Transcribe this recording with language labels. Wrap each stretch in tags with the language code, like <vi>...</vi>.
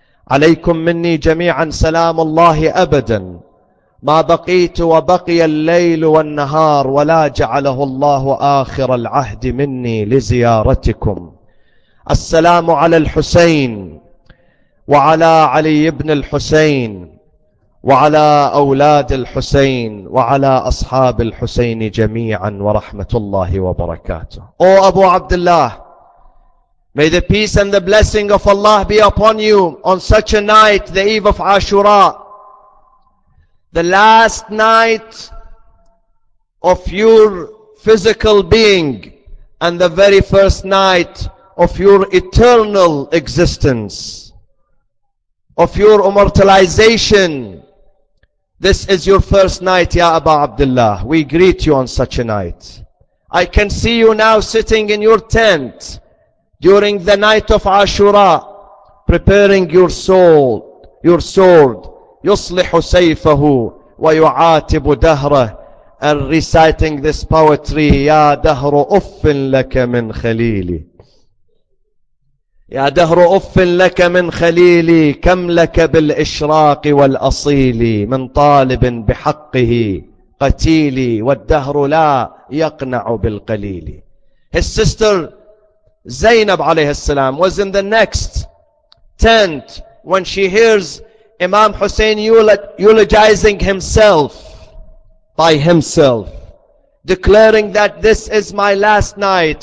<ar>عليكم مني جميعا سلام الله أبدا ما بقيت وبقي الليل والنهار ولا جعله الله آخر العهد مني لزيارتكم السلام على الحسين وعلى علي بن الحسين وعلى أولاد الحسين وعلى أصحاب الحسين جميعا ورحمة الله وبركاته أو أبو عبد الله.</ar> <en>May the peace and the blessing of Allah be upon you on such a night, the eve of Ashura, the last night of your physical being and the very first night of your eternal existence, of your immortalization. This is your first night, Ya Aba Abdullah. We greet you on such a night. I can see you now sitting in your tent during the night of Ashura, preparing your soul, your sword,</en> <ar>يُصْلِحُ سَيْفَهُ وَيُعَاتِبُ دَهْرَهُ,</ar> <en>and reciting this poetry,</en> <ar>يَا دَهْرُ أُفٍّ لَكَ مِنْ خَلِيلِي, يَا دَهْرُ أُفٍّ لَكَ مِنْ خَلِيلِي, كَمْ لَكَ بِالْإِشْرَاقِ وَالْأَصِيلِ, مِنْ طَالِبٍ بِحَقِّهِ قَتِيلِي, وَالدَّهْرُ لَا يَقْنَعُ بِالْقَلِيلِ.</ar> <en>His sister Zainab alayhi salam was in the next tent when she hears Imam Hussein eulogizing himself by himself, declaring that this is my last night.</en>